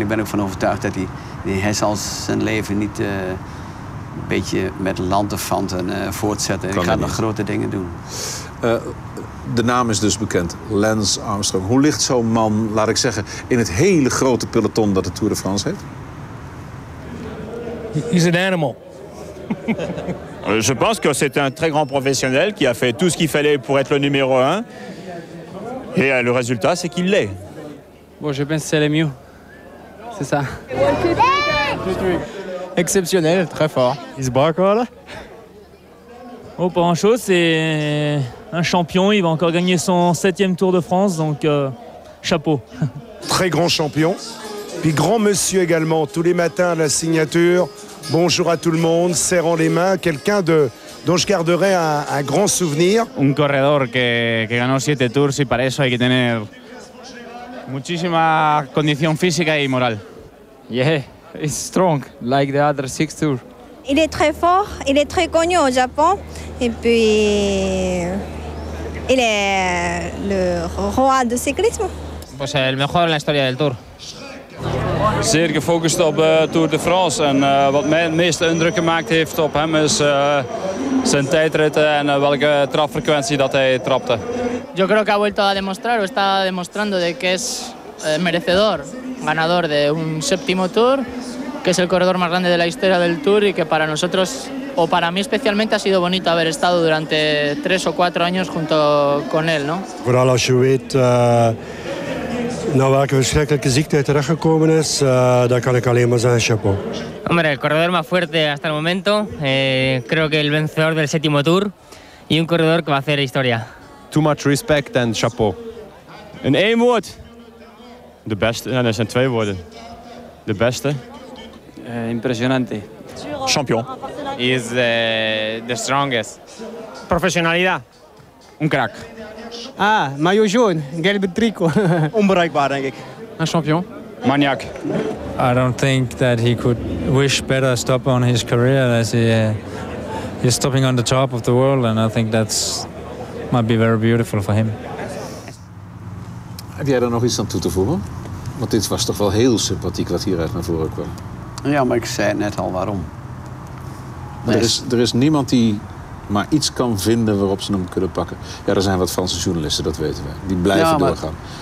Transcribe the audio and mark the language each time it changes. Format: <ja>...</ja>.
<nl>Ik ben ook van overtuigd dat hij zal zijn leven niet een beetje met lanterfanten voortzetten. Hij gaat nog grote dingen doen. De naam is dus bekend, Lance Armstrong. Hoe ligt zo'n man, laat ik zeggen, in het hele grote peloton dat de Tour de France heeft?</nl> <en>He's an animal.</en> <fr>Je pense que c'est un très grand professionnel qui a fait tout ce qu'il fallait pour être le numéro 1. Et le résultat, c'est qu'il l'est. Bon, je pense que c'est le mieux. C'est ça. Exceptionnel, très fort. Il se bat encore, là? Oh, pas grand-chose. C'est un champion. Il va encore gagner son 7e Tour de France. Donc, chapeau. Très grand champion. Puis grand monsieur également. Tous les matins, la signature. Bonjour à tout le monde. Serrant les mains. Quelqu'un de... dont je garderai un grand souvenir.</fr> <es>Un corredor que ganó 7 tours, y para eso hay que tener muchísima condición física y moral.</es> <en>Yeah, he's strong, like the other 6 tours.</en> <fr>Il est très fort, il est très connu au Japon, et puis il est le roi du cyclisme.</fr> <es>Pues el mejor en la historia del Tour.</es> <nl>Zeer gefocust op Tour de France en wat mij het meeste indruk gemaakt heeft op hem is zijn tijdritten en welke trapfrequentie dat hij trapte.</nl> <es>Yo creo que ha vuelto a demostrar o está demostrando de que es merecedor, ganador de un séptimo Tour, que es el corredor más grande de la historia del Tour y que para nosotros o para mí especialmente ha sido bonito haber estado durante 3 o 4 años junto con él, ¿no?</es> <nl>Vooral als je weet naar welke verschrikkelijke ziekte hij terechtgekomen is, daar kan ik alleen maar zijn chapeau.</nl> <es>Hombre, el corredor más fuerte hasta el momento. Creo que el vencedor del séptimo Tour. Y un corredor que va a hacer historia.</es> <en>Too much respect and chapeau.</en> <nl>In één woord. De beste. Nee, dat zijn twee woorden. De beste.</nl> <es>Impresionante.</es> <en>Champion. He is the strongest.</en> <es>Professionalidad. Un crack.</es> <fr>Ah, maillot jaune, gelbe tricot.</fr> <nl>Onbereikbaar, denk ik. Een champion.</nl> <en>Maniac. I don't think that he could wish better stop on his career as he's stopping on the top of the world. And I think that's might be very beautiful for him.</en> <nl>Heb jij daar nog iets aan toe te voegen? Want dit was toch wel heel sympathiek wat hieruit naar voren kwam. Ja, maar ik zei net al waarom. Nee. Er is niemand die... maar iets kan vinden waarop ze hem kunnen pakken. Ja, er zijn wat Franse journalisten, dat weten we. Die blijven doorgaan.</nl>